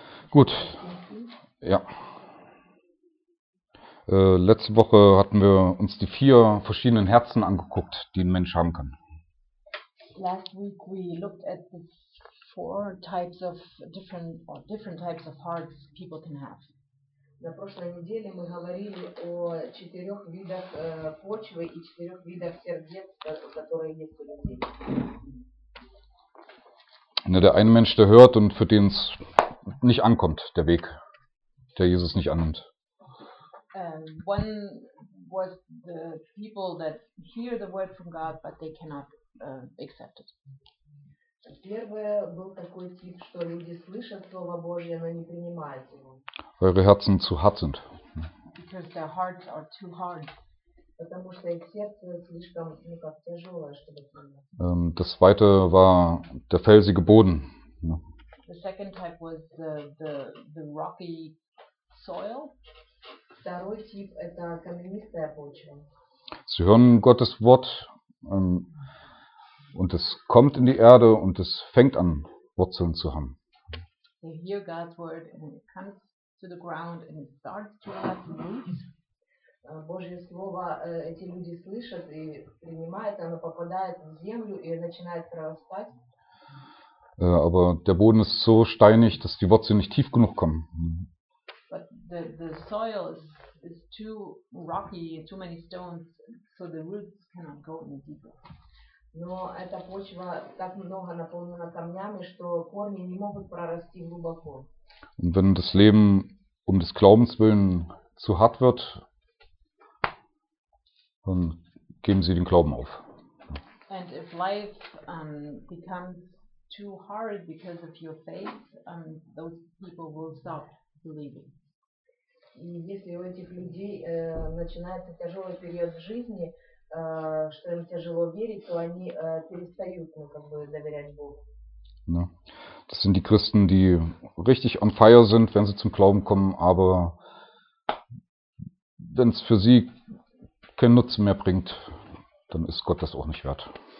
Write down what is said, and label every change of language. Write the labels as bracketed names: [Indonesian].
[German] Gut, ja. Letzte Woche hatten wir uns die vier verschiedenen Herzen angeguckt, die ein Mensch haben kann. [English] Last week we looked at the four types of different or different types of hearts people can have. [Russian] На прошлой неделе мы говорили о четырех видах почвы и четырех видах сердец, которые есть у людей. [German] Ne, der eine Mensch, der hört und für den es nicht ankommt, der Weg, der Jesus nicht annimmt. [English] One was the people that hear the word from God, but they cannot accept it. [Russian] Первое был такой тип, что люди слышат Слово Божье, но не принимают его. [German] Eure Herzen zu hart sind. [English] Because their hearts are too hard. [Russian] Потому что их сердце слишком, ну как, тяжелое, чтобы принять. [German] Das zweite war der felsige Boden. [English] The second type was the rocky soil. [Russian] Второй тип – это каменистая почва. [German] Sie hören Gottes Wort und es kommt in die Erde und es fängt an, Wurzeln zu haben. [English] They hear God's word and it comes to the ground and it starts to have roots. [Russian] Божье слово эти люди слышат и принимают, оно попадает в землю и начинает прорастать. [German] Aber der Boden ist so steinig, dass die Wurzeln nicht tief genug kommen. [English] But the soil is too rocky, too many stones, so the roots cannot go any deeper. [Russian] Но эта почва так много наполнена камнями, что корни не могут прорасти глубоко. [German] Und wenn das Leben um des Glaubens willen zu hart wird, dann geben sie den Glauben auf. [English] And if life becomes too hard because of your faith, those people will stop believing. [Russian] И если у этих людей начинается тяжелый период в жизни, что им тяжело верить, то они перестают, ну, как бы, доверять Богу. [German] Ja. Das sind die Christen, die richtig [English] on fire [German] sind, wenn sie zum Glauben kommen, aber wenn es für sie keinen Nutzen mehr bringt, dann ist Gott das auch nicht wert.